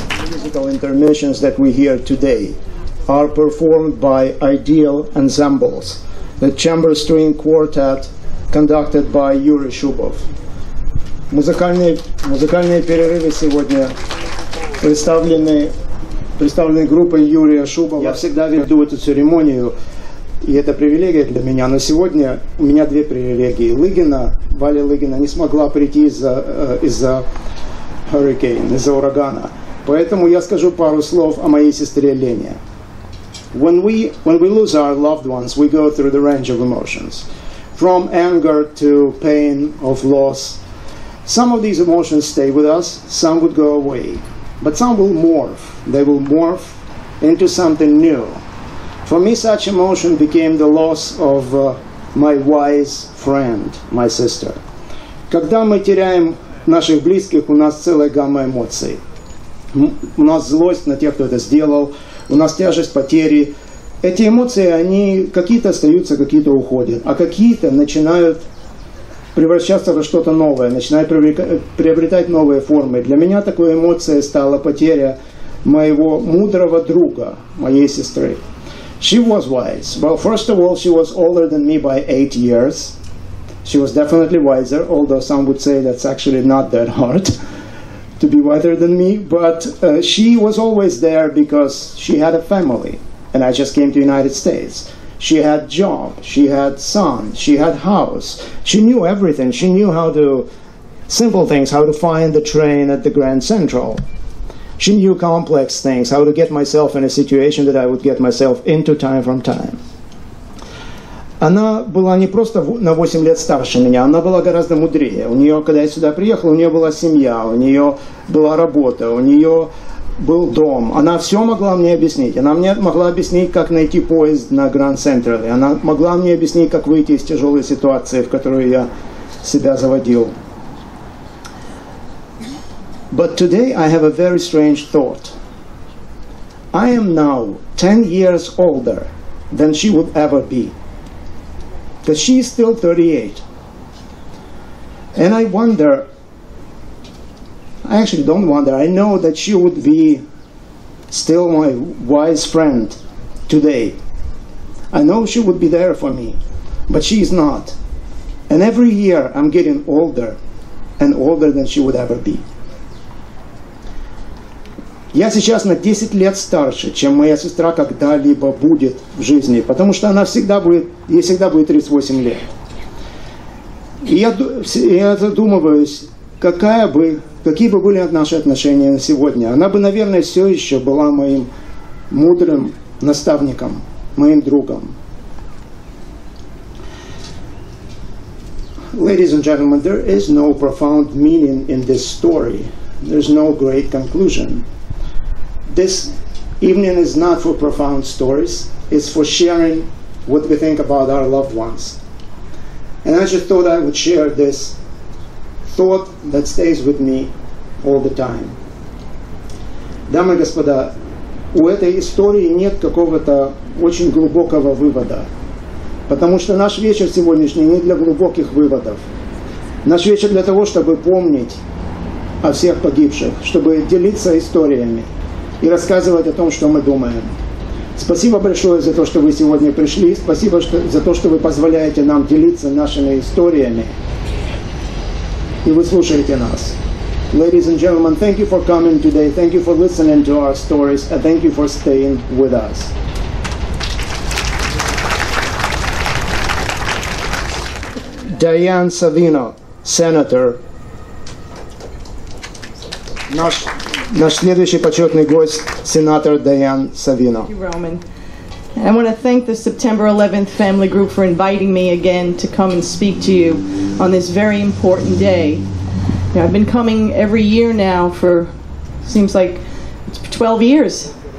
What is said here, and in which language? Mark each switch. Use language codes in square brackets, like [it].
[en] Musical interventions that we hear today are performed by ideal ensembles, the chamber string quartet conducted by Yuri Shubov. [ru] Музыкальные перерывы сегодня представлены группой Юрия Шубова. Я всегда веду эту церемонию, и это привилегия для меня, но сегодня у меня две привилегии. Валя Лыгина не смогла прийти из-за урагана. Поэтому я скажу пару слов о моей сестре Лене. [en] When we lose our loved ones, we go through the range of emotions, from anger to pain of loss. Some of these emotions stay with us, some would go away, but some will morph. They will morph into something new. For me, such emotion became the loss of my wise friend, my sister. [ru] Когда мы теряем наших близких, у нас целая гамма эмоций. У нас злость на тех, кто это сделал, у нас тяжесть потери. Эти эмоции, они какие-то остаются, какие-то уходят, а какие-то начинают превращаться во что-то новое, начинают приобретать новые формы. Для меня такой эмоцией стала потеря моего мудрого друга, моей сестры. [en] She was wise. Well, first of all, she was older than me by 8 years. She was definitely wiser, although some would say that's actually not that hard to be wiser than me, but she was always there because she had a family, and I just came to the United States. She had job, she had son, she had house. She knew everything. She knew how to, simple things, how to find the train at the Grand Central. She knew complex things, how to get myself in a situation that I would get myself into time from time. [ru] Она была не просто на 8 лет старше меня, она была гораздо мудрее. У нее, когда я сюда приехал, у нее была семья, у нее была работа, у нее был дом. Она все могла мне объяснить. Она мне могла объяснить, как найти поезд на Grand Central. Она могла мне объяснить, как выйти из тяжелой ситуации, в которую я себя заводил. [en] But today I have a very strange thought. I am now 10 years older than she would ever be. Because she's still 38. And I wonder, I actually don't wonder, I know that she would be still my wise friend today. I know she would be there for me, but she is not. And every year I'm getting older and older than she would ever be. [ru] Я сейчас на 10 лет старше, чем моя сестра когда-либо будет в жизни, потому что она всегда будет, ей всегда будет 38 лет. И я задумываюсь, какие бы были наши отношения на сегодня. Она бы, наверное, все еще была моим мудрым наставником, моим другом. [en] Ladies and gentlemen, there is no profound meaning in this story. There's no great conclusion. This evening is not for profound stories, it's for sharing what we think about our loved ones. And I just thought I would share this thought that stays with me all the time. [ru] Дамы и господа, у этой истории нет какого-то очень глубокого вывода, потому что наш вечер сегодняшний не для глубоких выводов. Наш вечер для того, чтобы помнить о всех погибших, чтобы делиться историями и рассказывать о том, что мы думаем. Спасибо большое за то, что вы сегодня пришли. Спасибо за то, что вы позволяете нам делиться нашими историями. И вы слушаете нас. [en] Ladies and gentlemen, thank you for coming today. Thank you for listening to our stories. And thank you for staying with us. Diane Savino, Senator. [ru] Наш следующий почетный гость, сенатор Дайан Савино. [en] Thank you, Roman. I want to thank the September 11th family group for inviting me again to come and speak to you on this very important day. You know, I've been coming every year now for, seems like, it's 12 years.